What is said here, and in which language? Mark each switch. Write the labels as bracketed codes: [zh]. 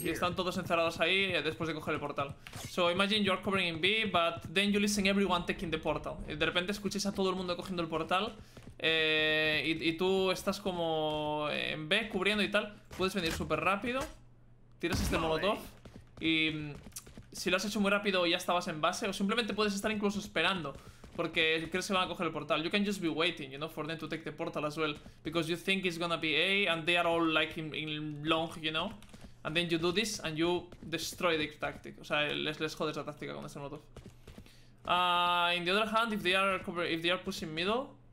[es] y están todos encerrados ahí después de coger el portal. [en] So imagine you're covering in B, but then you listen everyone taking the portal. [es] Y de repente escuchas a todo el mundo cogiendo el portal. Y tú estás como en B cubriendo y tal. Puedes venir súper rápido. Tiras este molotov. Y si lo has hecho muy rápido y ya estabas en base. O simplemente puedes estar incluso esperando. Porque crees que van a coger el portal. [en] You can just be waiting, you know, for them to take the portal as well. Because you think it's gonna be A and they are all like in long, you know. And then you do this and you destroy the tactic. [es] O sea, les jodes la táctica con este molotov. [en] In the other hand, if they are pushing middle,